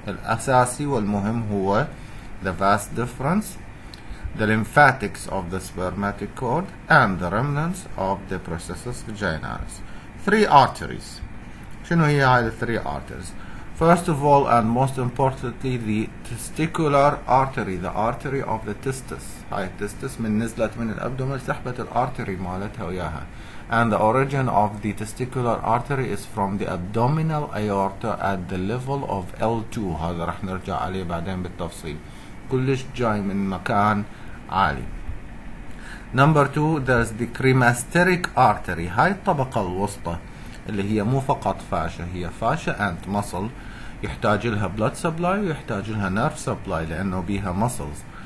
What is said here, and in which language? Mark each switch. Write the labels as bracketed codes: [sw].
[ar] الاساسي والمهم هو [en] the vas deferens, the lymphatics of the spermatic cord, and the remnants of the processus vaginalis. Three arteries. [ar] شنو هي هاي [en] three arteries؟ First of all and most importantly the testicular artery, the artery of the testis. [ar] هاي testis من نزلت من الابدومن سحبت الارتري مالتها وياها. [en] And the origin of the testicular artery is from the abdominal aorta at the level of L2. [ar] هذا راح نرجع عليه بعدين بالتفصيل. كلش جاي من مكان عالي. [en] Number two, there's the cremasteric artery. [ar] هاي الطبقة الوسطى اللي هي مو فقط fascia، هي fascia and muscle. يحتاج لها blood supply ويحتاج لها nerve supply لأنه بيها muscles.